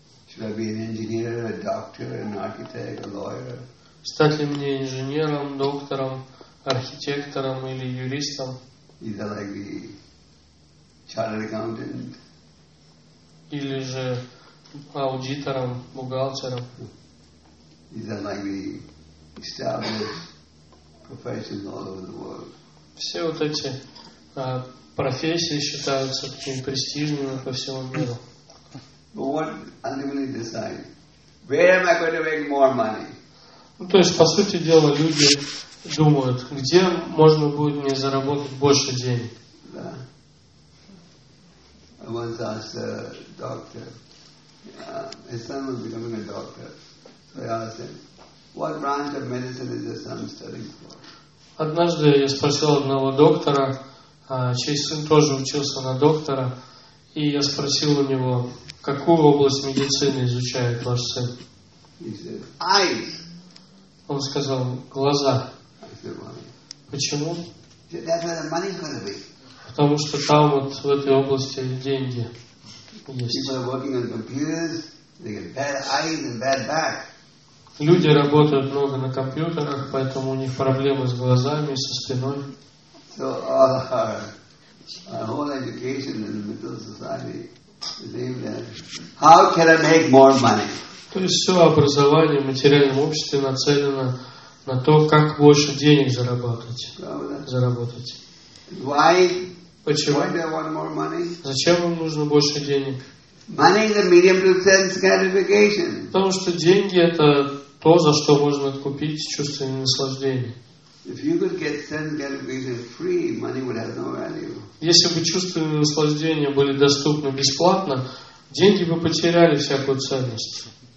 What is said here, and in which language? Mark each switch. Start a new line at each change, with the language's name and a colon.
English: Should I be an engineer, a doctor, an architect, a lawyer?
Russian: Стать ли мне инженером, доктором, архитектором или юристом?
English: Either like the chartered accountant.
Russian: Или же аудитором, бухгалтером.
English: Either like the established professions all over the world.
Russian: Все вот эти профессии считаются такими престижными по всему миру.
English: But what ultimately decides? Where am I going to make more money?
Russian: Ну, то есть, по сути дела, люди думают, где можно будет мне заработать больше денег. Да.
English: I once asked a doctor. His son was becoming a doctor. So I asked him, what branch of medicine is your son studying for?
Russian: Однажды я спросил одного доктора, чей сын тоже учился на доктора, и я спросил у него, какую область медицины изучает ваш сын?
English: He said, eyes.
Russian: Он сказал, глаза.
English: I said, why?
Russian: Почему?
English: He said, that's where the money's gonna be.
Russian: Потому что там вот в этой области деньги есть.
English: People are working on computers, they get bad eyes and bad back.
Russian: Люди работают много на компьютерах, поэтому у них проблемы с глазами и со спиной.
English: So our whole education in the middle society is aimed at how can I make more money?
Russian: То есть все образование в материальном обществе нацелено на то, как больше денег заработать.
English: Why?
Russian: Почему?
English: Why do I want more money?
Russian: Зачем вам нужно больше денег?
English: Money is a medium to sense gratification.
Russian: Потому что деньги это то, за что можно купить чувственное наслаждение.
English: If you could get sense gratification free, money would have no value.
Russian: Если бы чувственные наслаждения были доступны бесплатно, деньги бы потеряли всякую ценность.